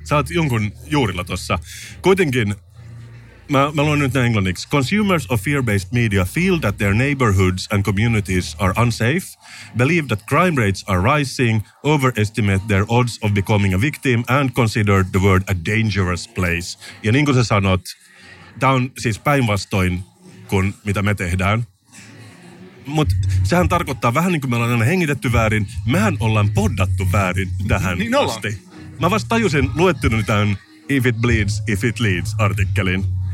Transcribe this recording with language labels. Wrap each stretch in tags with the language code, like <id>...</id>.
<fi>Sä oot jonkun juurilla tossa. Kuitenkin, mä luen nyt näin englanniksi.</fi> <en>Consumers of fear-based media feel that their neighborhoods and communities are unsafe, believe that crime rates are rising, overestimate their odds of becoming a victim, and consider the world a dangerous place.</en> <fi>Ja niin kuin sä sanot, tää on siis päinvastoin kuin mitä me tehdään. Mutta sehän tarkoittaa vähän niin kuin me ollaan hengitetty väärin, mehän ollaan poddattu väärin tähän niin asti. Mä vasta tajusin luettunut tämän If It Bleeds, If It Leads -artikkelin.</fi>